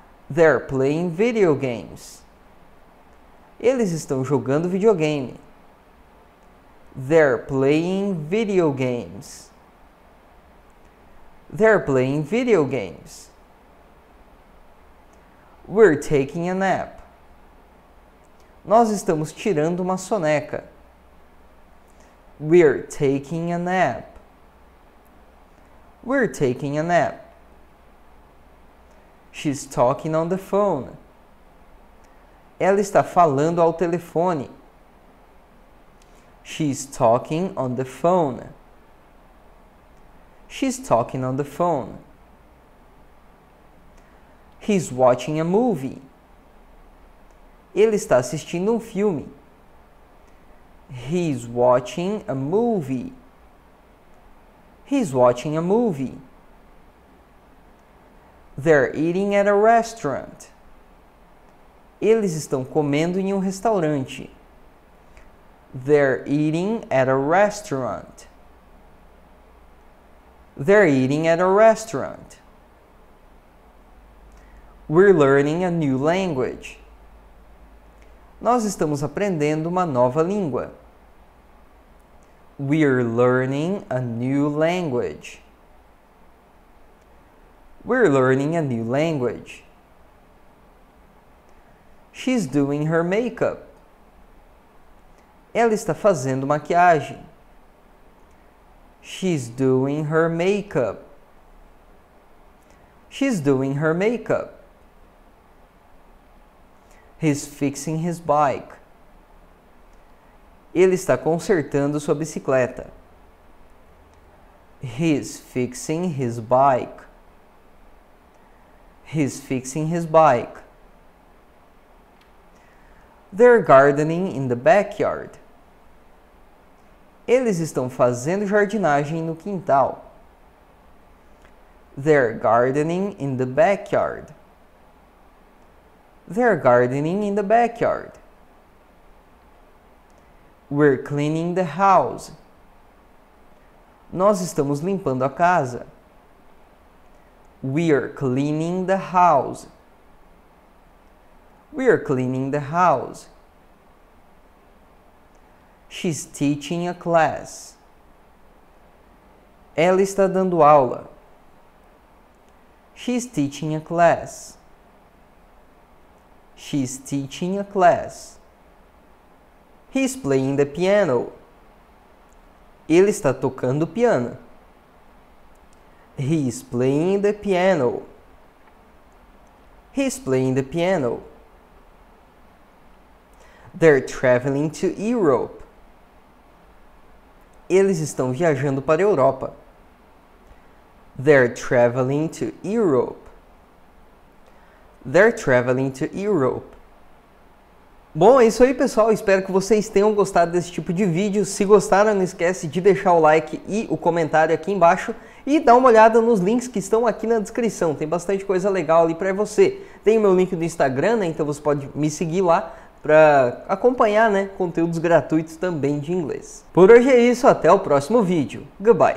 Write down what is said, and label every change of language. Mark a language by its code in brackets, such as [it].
[en] They're playing video games. [pt] Eles estão jogando videogame. [en] They're playing video games. They're playing video games. We're taking a nap. [pt] Nós estamos tirando uma soneca. [en] We're taking a nap. We're taking a nap. She's talking on the phone. [pt] Ela está falando ao telefone. [en] She's talking on the phone. She's talking on the phone. He's watching a movie. [pt] Ele está assistindo um filme. [en] He's watching a movie. He's watching a movie. They're eating at a restaurant. [pt] Eles estão comendo em um restaurante. [en] They're eating at a restaurant. They're eating at a restaurant. We're learning a new language. [pt] Nós estamos aprendendo uma nova língua. [en] We're learning a new language. We're learning a new language. She's doing her makeup. [pt] Ela está fazendo maquiagem. [en] She's doing her makeup. She's doing her makeup. He's fixing his bike. [pt] Ele está consertando sua bicicleta. [en] He's fixing his bike. He's fixing his bike. They're gardening in the backyard. [pt] Eles estão fazendo jardinagem no quintal. [en] They're gardening in the backyard. They're gardening in the backyard. We're cleaning the house. [pt] Nós estamos limpando a casa. [en] We're cleaning the house. We're cleaning the house. She's teaching a class. [pt] Ela está dando aula. [en] She's teaching a class. She's teaching a class. He's playing the piano. [pt] Ele está tocando piano. [en] He's playing the piano. He's playing the piano. They're traveling to Europe. [pt] Eles estão viajando para a Europa. [en] They're traveling to Europe. They're traveling to Europe. [pt] Bom, é isso aí, pessoal. Espero que vocês tenham gostado desse tipo de vídeo. Se gostaram, não esquece de deixar o like e o comentário aqui embaixo. E dá uma olhada nos links que estão aqui na descrição. Tem bastante coisa legal ali pra você. Tem o meu link do Instagram, né? Então você pode me seguir lá pra acompanhar, né? Conteúdos gratuitos também de inglês. Por hoje é isso. Até o próximo vídeo. Goodbye.